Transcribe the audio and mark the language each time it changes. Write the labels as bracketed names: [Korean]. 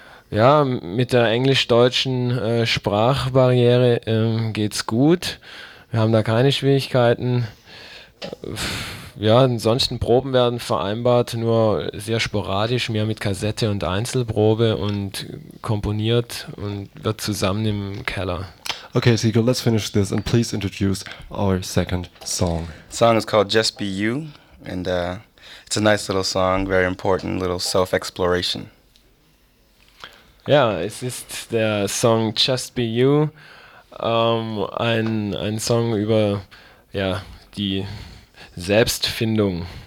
[German] Ja, mit der englisch-deutschen Sprachbarriere geht's gut. Wir haben da keine Schwierigkeiten. Ja, ansonsten Proben werden vereinbart, nur sehr sporadisch, mehr mit Kassette und Einzelprobe und komponiert und wird zusammen im Keller. [English] Okay, Siegel, let's finish this and please introduce our second song. The song is called Just Be You and it's a nice little song, very important, little self-exploration. [German] Ja, es ist der Song Just Be You, ein Song über ja, die Selbstfindung.